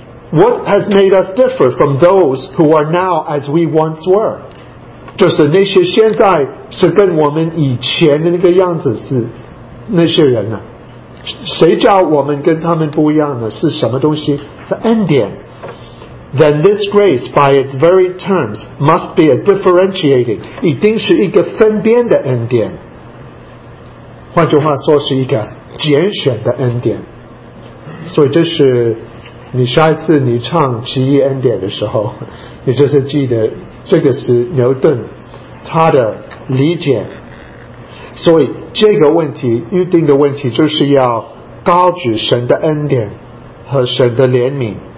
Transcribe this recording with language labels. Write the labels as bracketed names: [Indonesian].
[English] What has made us differ from those who are now as we once were? [Chinese] 就是那些现在是跟我们以前的那个样子是那些人啊。谁叫我们跟他们不一样呢？是什么东西？是恩典。 [English] Then this grace, by its very terms, must be a differentiating, [Chinese] 一定是一个分辨的恩典。换句话说，是一个拣选的恩典。所以这是你下一次你唱《奇异恩典》的时候，你就是记得这个是牛顿他的理解。所以这个问题，预定的问题，就是要高举神的恩典和神的怜悯。